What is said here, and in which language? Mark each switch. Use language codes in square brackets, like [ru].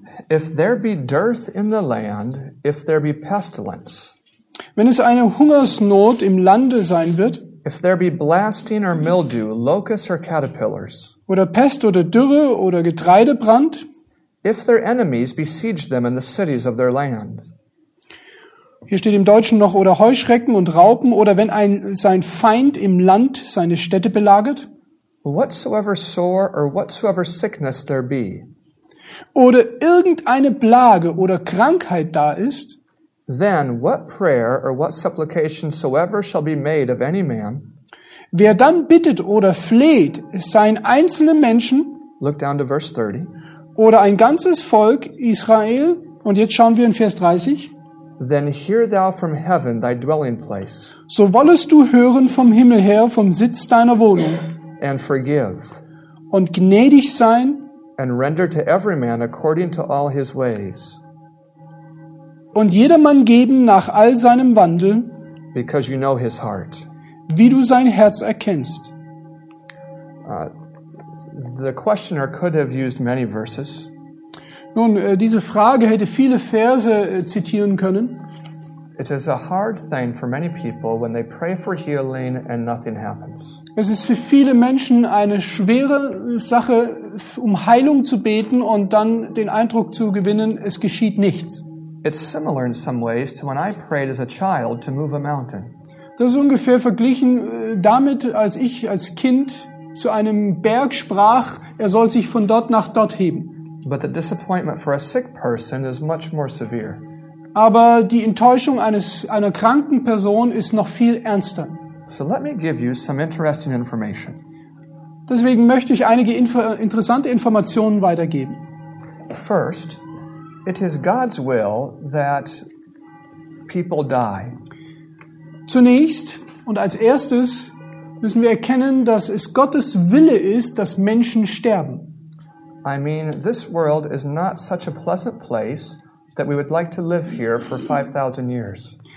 [en] If there be dearth in the land, if there be pestilence. [de] Wenn es eine Hungersnot im Lande sein wird, [en] if there be blasting or mildew, locusts or caterpillars, [de] oder Pest oder Dürre oder Getreidebrand, [en] if their enemies besiege them in the cities of their land. [de] Hier steht im Deutschen noch oder Heuschrecken und Raupen oder wenn ein sein Feind im Land seine Städte belagert, [en] whatsoever sore or whatsoever sickness there be, [de] oder irgendeine Plage oder Krankheit da ist, [en] then what prayer or what supplication soever shall be made of any man, [de] wer dann bittet oder fleht, seien einzelne Menschen, [en] look down to verse 30, [de] oder ein ganzes Volk Israel, und jetzt schauen wir in Vers 30, [en] then hear thou from heaven thy dwelling place, [de] so wollest du hören vom Himmel her, vom Sitz deiner Wohnung, [en] and forgive, [de] und gnädig sein, [en] and render to every man according to all his ways, [de] und jedermann geben nach all seinem Wandel, [en] because you know his heart, [de] wie du sein Herz erkennst. [en] The questioner could have used many verses. [de] Nun, diese Frage hätte viele Verse zitieren können. [en] It is a hard thing for many people when they pray for healing and nothing happens. [de] Es ist für viele Menschen eine schwere Sache, um Heilung zu beten und dann den Eindruck zu gewinnen, es geschieht nichts. [en] It's similar in some ways to when I prayed as a child to move a mountain. [de] Das ist ungefähr verglichen damit, als ich als Kind zu einem Berg sprach, er soll sich von dort nach dort heben. [en] But the disappointment for a sick person is much more severe. [de] Aber die Enttäuschung einer kranken Person ist noch viel ernster. [en] So let me give you some interesting information. [de] Deswegen möchte ich einige interessante Informationen weitergeben. [en] First, it is God's will that people die. [de] Zunächst und als erstes müssen wir erkennen, dass es Gottes Wille ist, dass Menschen sterben. [en] I mean, this world is not such a pleasant place that we would like to live here for 5,000 years.